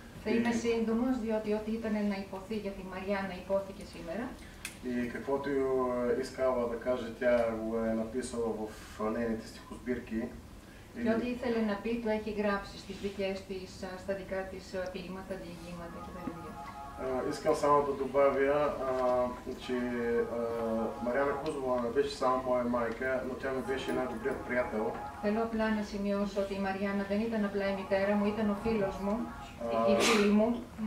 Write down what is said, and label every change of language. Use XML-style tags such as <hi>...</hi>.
<el>Θα είμαι σύντομος, διότι ό,τι ήταν να υποθεί για τη Μαριάννα υπόθηκε σήμερα.</el> <bg>И каквото искала да каже, тя го е написала в нейните стихосбирки.</bg> <el>Και ό,τι ήθελε να πει, το έχει γράψει στις δικές της, στα δικά της ποίηματα, διηγήματα και τα λοιπά.</el> <bg>Искам само да добавя, че Мариана Кузова не беше само моя майка, но тя ми беше най-добрият приятел.</bg> <el>Θέλω απλά να σημειώσω, ότι η Мариана δεν ήταν απλά η μητέρα μου, ήταν ο φίλος μου, η φίλη μου.</el>